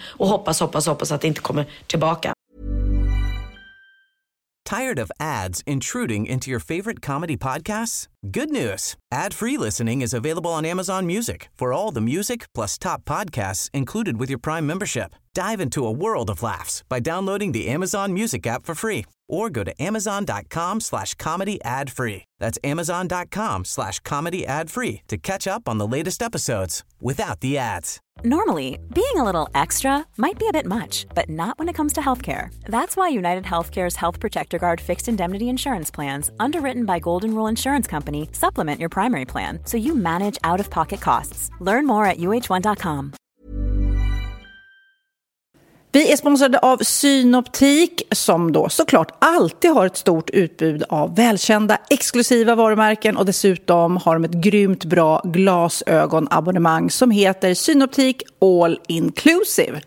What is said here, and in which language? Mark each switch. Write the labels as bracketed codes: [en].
[sv] Och hoppas att det inte kommer tillbaka. [en] Tired of ads intruding into your favorite comedy podcasts? Good news! Ad-free listening is available on Amazon Music for all the music plus top podcasts included with your Prime membership. Dive into a world of laughs by downloading the Amazon Music app for free. Or go to amazon.com/comedyadfree. That's amazon.com/comedyadfree to catch up on the latest episodes without the ads. Normally, being a little extra might be a bit much, but not when it comes to healthcare. That's why UnitedHealthcare's Health Protector Guard fixed indemnity insurance plans, underwritten by Golden Rule Insurance Company, supplement your primary plan so you manage out-of-pocket costs. Learn more at uh1.com. [sv] Vi är sponsrade av Synoptik, som då såklart alltid har ett stort utbud av välkända exklusiva varumärken, och dessutom har de ett grymt bra glasögonabonnemang som heter Synoptik All Inclusive.